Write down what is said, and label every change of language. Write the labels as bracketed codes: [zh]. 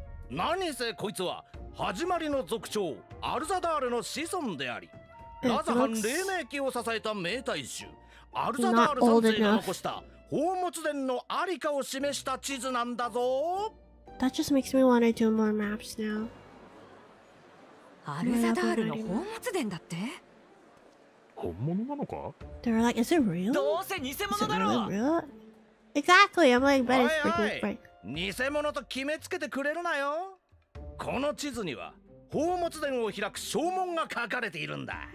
[ja] 何せこいつは始まりの族長アルザダールの子孫であり、ラザハン黎明期を支えた名大衆アルザダール三世が残した宝物殿のありかを示した地図なんだぞ。 [en] That just makes me want to do more maps now. [ja] アルザダールの宝物殿だって本物なのか。 [en] They're like, is it real? [ja] どうせ偽物だろ。 [en] Is it really real? Exactly, I'm like, but it's pretty fake. [ja] 偽物と決めつけてくれるなよ。この地図には宝物殿を開く証文が書かれているんだ。